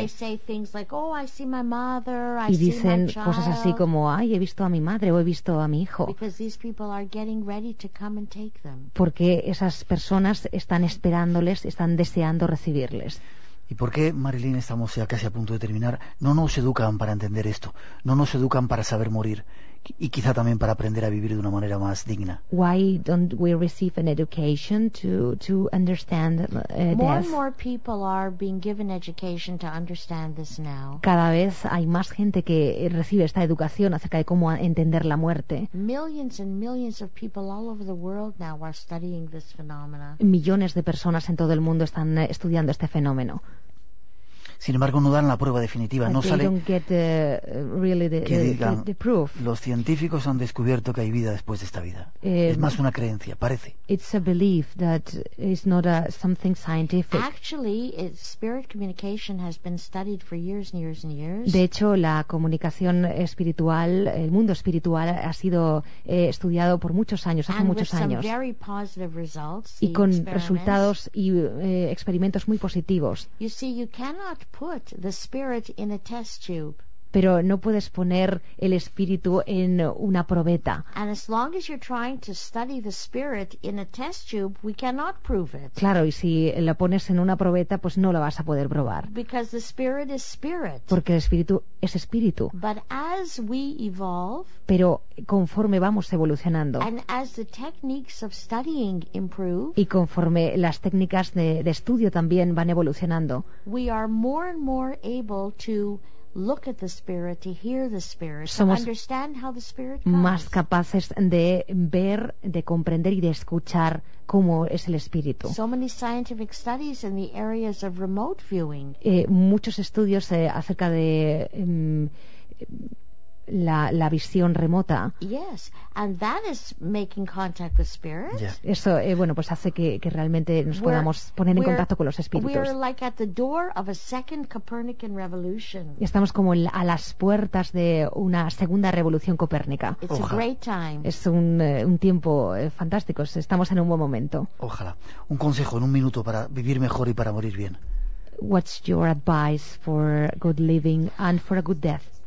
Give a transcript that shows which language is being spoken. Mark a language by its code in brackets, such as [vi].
[en] And they say things like, "Oh, I see my mother. I see my [es] child." Y dicen cosas así como, "Ay, he visto a mi madre o he visto a mi hijo." [en] Because these people are getting ready to come and take them. [es] Porque esas personas están esperándoles, están deseando recibirles. ¿Y por qué, Marilyn, estamos ya casi a punto de terminar? No nos educan para entender esto. No nos educan para saber morir. Y quizá también para aprender a vivir de una manera más digna. [en] Why don't we receive an education to understand death? More and more people are being given education to understand this now. [es] Cada vez hay más gente que recibe esta educación acerca de cómo entender la muerte. [en] Millions and millions of people all over the world now are studying this phenomena. [es] Millones de personas en todo el mundo están estudiando este fenómeno. Sin embargo, no dan la prueba definitiva. No sale que digan, los científicos han descubierto que hay vida después de esta vida. Es más una creencia, parece. [en] It's a belief that is not something scientific. Actually, spirit communication has been studied for years and years and years. [es] De hecho, la comunicación espiritual, el mundo espiritual, ha sido estudiado por muchos años, hace muchos años. [en] And with some very positive results. [es] Y con resultados y experimentos muy positivos. [en] You see, you cannot put the spirit in a test tube. [es] Pero no puedes poner el espíritu en una probeta. [en] And as long as you're trying to study the spirit in a test tube, we cannot prove it. [es] Claro, y si la pones en una probeta, pues no la vas a poder probar. [en] Because the spirit is spirit. [es] Porque el espíritu es espíritu. [en] But as we evolve, [es] pero conforme vamos evolucionando, [en] and as the techniques of studying improve, [es] y conforme las técnicas de estudio también van evolucionando, [en] we are more and more able to look at the spirit, to hear the spirit, [es] somos [en] to understand how the spirit comes. [es] Más capaces de ver, de comprender y de escuchar cómo es el espíritu. [en] So many scientific studies in the areas of remote viewing. [es] Muchos estudios acerca de la visión remota. [en] Yes, and that is making contact with spirits. Yeah. [es] Eso bueno, pues hace que realmente nos podamos poner en contacto con los espíritus. [en] We are like at the door of a second Copernican revolution. [es] Estamos como a las puertas de una segunda revolución copérnica. [en] It's a great time. [es] Es un tiempo fantástico. Estamos en un buen momento. Ojalá. Un consejo en un minuto para vivir mejor y para morir bien. [en] What's your advice for good living and for a good death?